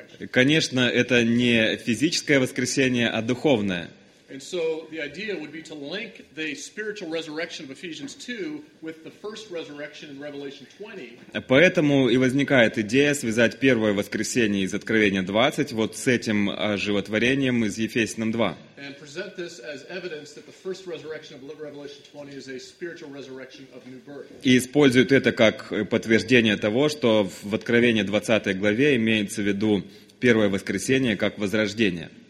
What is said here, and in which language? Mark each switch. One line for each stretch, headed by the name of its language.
Russian: Конечно, это не физическое воскресение, а духовное.
English: And so the idea would be to link the spiritual resurrection of Ephesians 2 with the first resurrection in Revelation 20.
Russian: Поэтому и возникает идея связать первое воскресение из Откровения 20 вот с этим оживотворением из Ефесянам 2.
English: And present this as evidence that the first resurrection of Revelation 20 is a spiritual resurrection of new birth.
Russian: И используют это как подтверждение того, что в Откровении 20 главе имеется в виду первое воскресение как возрождение.